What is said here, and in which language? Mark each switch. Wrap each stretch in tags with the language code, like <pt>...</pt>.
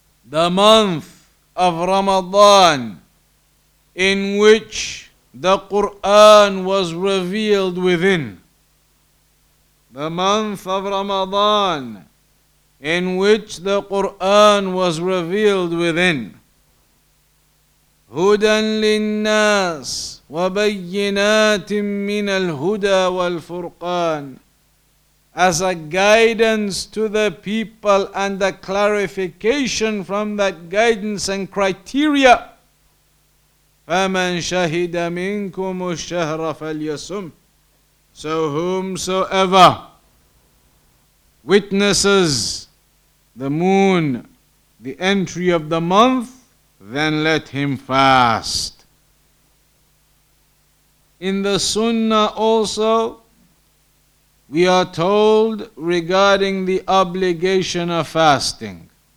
<en>The month of Ramadan in which the Quran was revealed within. The month of Ramadan in which the Quran was revealed within.</en> <ar>هدى للناس وبينات من الهدى والفرقان.</ar> <en>As a guidance to the people and a clarification from that guidance and criteria.</en> <ar>فمن شهد منكم الشهر فليصم.</ar> <en>So whomsoever witnesses the moon, the entry of the month, then let him fast. In the Sunnah also, we are told regarding the obligation of fasting.</en>